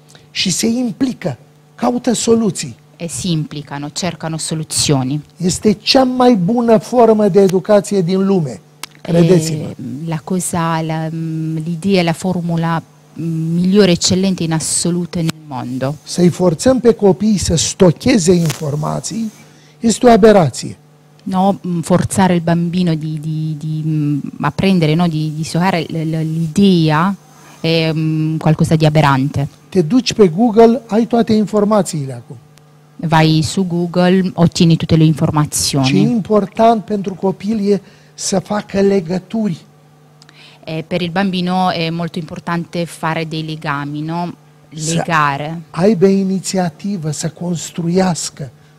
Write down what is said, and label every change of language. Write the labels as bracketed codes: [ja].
[ro] Și se implică, caută soluții. [it] E si implicano, cercano soluzioni. [ro] Este cea mai bună formă de educație din lume, credeți-mă. [it] La cosa, l'idea, la formula migliore, eccellente, in assoluto nel mondo. [ro] Să-i forțăm pe copii să stocheze informații este o aberație. [it] No, forzare il bambino di apprendere, no, di stoccare l'idea e qualcosa di aberrante. [ro] Te duci pe Google, hai toate informațiile acum. [it] Vai su Google, ottieni tutte le informazioni. [ro] Ce important pentru copil e să facă legături. [it] E, per il bambino è molto importante fare dei legami, no? Legare. [ro] Să aibă iniziativă, să construiască.